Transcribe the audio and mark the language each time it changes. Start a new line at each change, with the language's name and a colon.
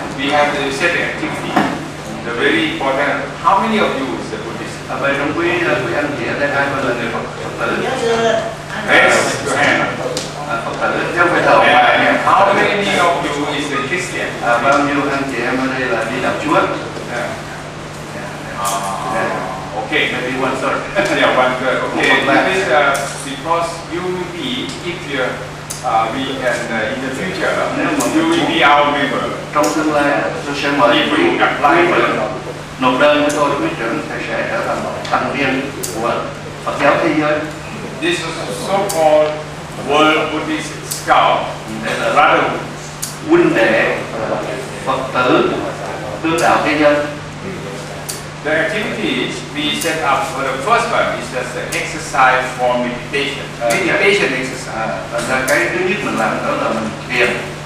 English: We have to set the activity, the very important. How many of you is the Buddhist?
Vietnamese: Vậy trong quý quý anh chị ở đây ai là người Phật tử?
English: Yes, your hand. How many of you is a Christian?
Vietnamese: Bao nhiêu anh chị em ở đây là đi đạo Chúa?
English: Okay, maybe one third. Yeah, one third. Okay, that is because you will be if you we can in the future you will be our member.
Vietnamese: Trong tương lai tôi sẽ mời quý vị gặp lại và nộp đơn cho tôi, quý trưởng sẽ trở thành một thành viên của Phật giáo thế giới.
English: This is so called World Buddhist Scout, Brotherhood,
Vietnamese: huynh đệ Phật tử tương đạo thế giới.
English: The activities we set up for the first one is just an exercise for meditation. Meditation exercise.
Vietnamese: Là cái thứ nhất mình làm đó là mình thiền.